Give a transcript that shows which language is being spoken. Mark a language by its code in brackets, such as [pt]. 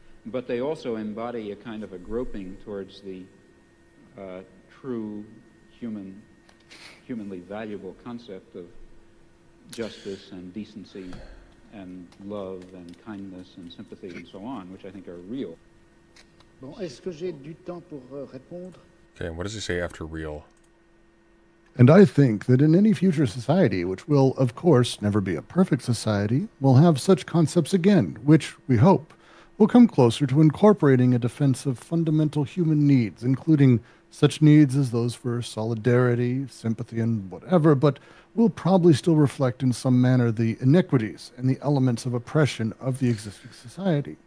[en] But they also embody a kind of a groping towards the true humanly valuable concept of justice and decency and love and kindness and sympathy and so on, which I think are real. [fr] Bon, est-ce que j'ai du temps pour répondre? [en] Okay, what does he say after real? And I think that in any future society, which will, of course, never be a perfect society, we'll have such concepts again, which, we hope, will come closer to incorporating a defense of fundamental human needs, including such needs as those for solidarity, sympathy, and whatever, but will probably still reflect in some manner the inequities and the elements of oppression of the existing society.